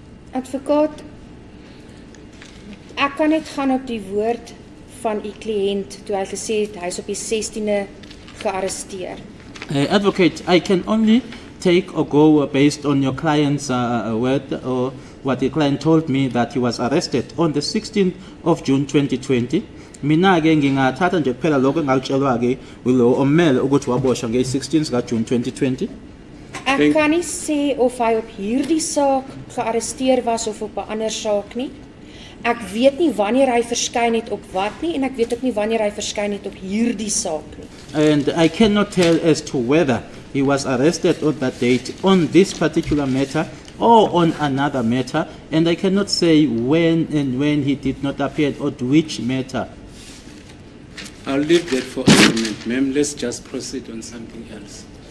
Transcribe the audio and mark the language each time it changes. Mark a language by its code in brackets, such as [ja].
[af] Advokaat, ek kan net gaan op die woord van u kliënt toe hy gesê het hy is op die 16de gearresteer. [en] Advocate, I can only take or go based on your client's word or what the client told me that he was arrested on the 16th of June 2020. [zu] Mina ke ngingathatha nje kuphela lokho engakutshelwa ke ulo omele ukuthi waboshwa nge 16th ka June 2020. [af] Ek kan nie sê of hy op hierdie saak gearresteer was of op 'n ander saak nie. Ek weet nie wanneer hy verskyn het op wat nie en ek weet ook nie wanneer hy verskyn het op hierdie saak nie. [en] And I cannot tell as to whether he was arrested on that date on this particular matter or on another matter, and I cannot say when and when he did not appear or to which matter. I'll leave that for a moment, ma'am. Let's just proceed on something else.